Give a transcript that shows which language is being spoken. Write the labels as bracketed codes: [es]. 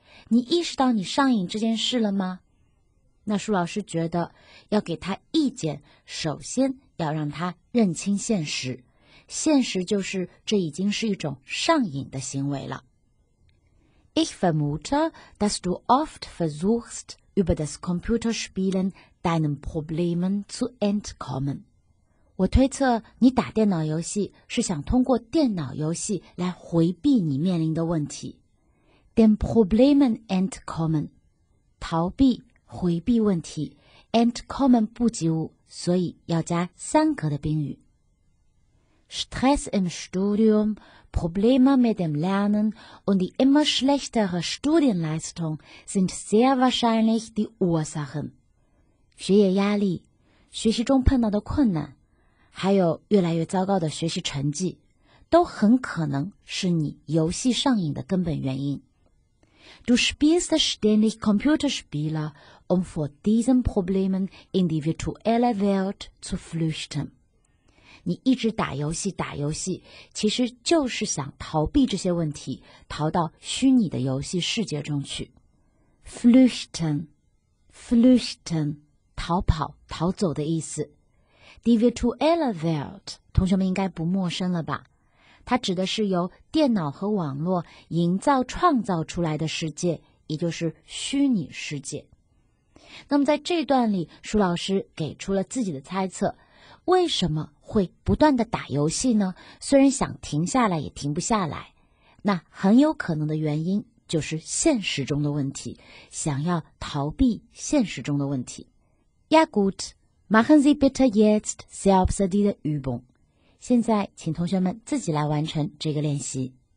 [zh] 你意识到你上瘾这件事了吗？那舒老师觉得要给他意见，首先要让他认清现实，现实就是这已经是一种上瘾的行为了。 [de] Ich vermute, dass du oft versuchst, über das Computerspielen deinen Problemen zu entkommen. [zh] 我推测你打电脑游戏是想通过电脑游戏来回避你面临的问题。 [de] Den Problemen entkommen, [zh] 逃避回避问题 ,entkommen 不及物，所以要加三格的宾语。 [de] Stress im Studium, Probleme mit dem Lernen und die immer schlechtere Studienleistung sind sehr wahrscheinlich die Ursachen. [zh] 学业压力，学习中碰到的困难，还有越来越糟糕的学习成绩，都很可能是你游戏上瘾的根本原因。 [de] Du spielst ständig Computerspiele, um vor diesen Problemen in die virtuelle Welt zu flüchten. [zh] 你一直打游戏打游戏，其实就是想逃避这些问题，逃到虚拟的游戏世界中去。 Flüchten, flüchten, 逃跑逃走的意思。 [de] Die virtuelle Welt, [zh] 同学们应该不陌生了吧。它指的是由电脑和网络营造创造出来的世界，也就是虚拟世界。那么在这段里，舒老师给出了自己的猜测，为什么会不断的打游戏呢？虽然想停下来也停不下来，那很有可能的原因就是现实中的问题，想要逃避现实中的问题。 [de] Ja gut, machen Sie bitte jetzt selbst die Übung. [zh] 现在请同学们自己来完成这个练习。